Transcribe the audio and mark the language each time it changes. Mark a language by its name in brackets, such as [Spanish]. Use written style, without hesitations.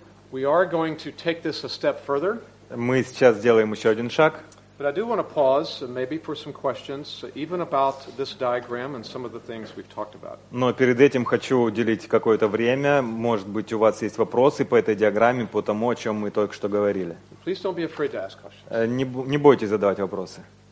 [English] We are going to take this a step further. [Russian] Мы сейчас сделаем еще один шаг. [English] But I do want to pause, maybe for some questions, even about this diagram and some of the things we've talked about. [Russian] Но перед этим хочу уделить какое-то время. Может быть, у вас есть вопросы по этой диаграмме, по тому, о чем мы только что говорили. [English] Please don't be afraid to ask questions. [Russian] Не бойтесь задавать вопросы.